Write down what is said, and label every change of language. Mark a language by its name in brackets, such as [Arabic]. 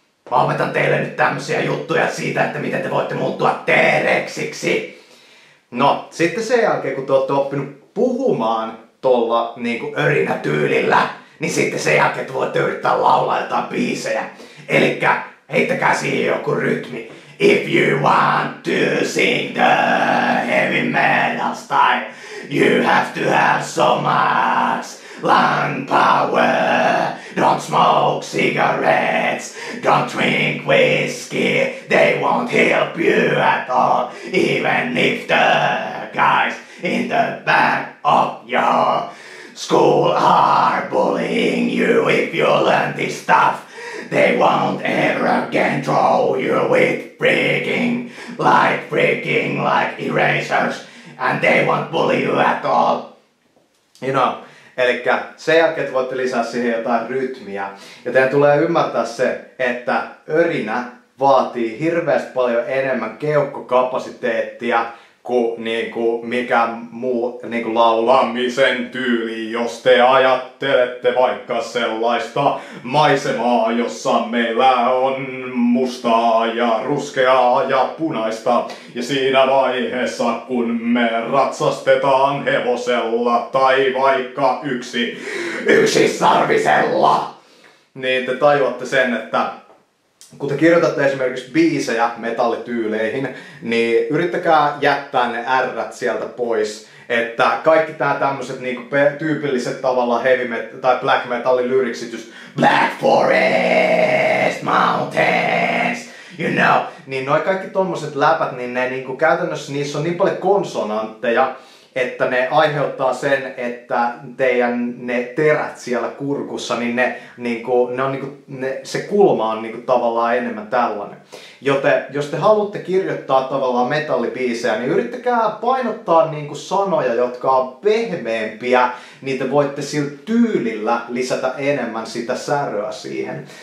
[Finnish] Mä opetan teille nyt tämmösiä juttuja siitä, että miten te voitte muuttua T-Rexiksi. No, sitten sen jälkeen, kun te olette oppinut puhumaan tolla niinku örinätyylillä, niin sitten sen jälkeen te voitte yrittää laulaa jotain biisejä. Elikkä heittäkää siihen joku rytmi. [English] If you want to sing the heavy metal style, you have to have so much lung power. Don't smoke cigarettes, don't drink whiskey, they won't help you at all, even if the guys in the back of your school are bullying you. If you learn this stuff, they won't ever again draw you with freaking light, freaking like erasers, and they won't bully you at all. You know, [Finnish] elikkä sen jälkeen voitte lisää siihen jotain rytmiä. Ja teidän tulee ymmärtää se, että örinä vaatii hirveästi paljon enemmän keuhkokapasiteettia kuin niinku mikä muu niinku laulamisen tyyli, jos te ajattelette vaikka sellaista maisemaa, jossa meillä on mustaa ja ruskeaa ja punaista. Ja siinä vaiheessa, kun me ratsastetaan hevosella tai vaikka yksisarvisella, niin te tajuatte sen, että kun te kirjoitatte esimerkiksi biisejä metallityyleihin, niin yrittäkää jättää ne R-t sieltä pois. Että kaikki tää tämmöset niinku tyypilliset tavallaan heavy metal tai black metallin lyriksit, just [English] Black Forest Mountains, you know. [Finnish] Niin noi kaikki tommoset läpät, niin ne niinku käytännössä niissä on niin paljon konsonantteja, että ne aiheuttaa sen, että teidän ne terät siellä kurkussa, niin ne, niinku, ne on niinku, ne, se kulma on niinku tavallaan enemmän tällainen. Joten jos te haluatte kirjoittaa tavallaan metallibiisejä, niin yrittäkää painottaa niinku sanoja, jotka on pehmeämpiä, niin te voitte sillä tyylillä lisätä enemmän sitä säröä siihen.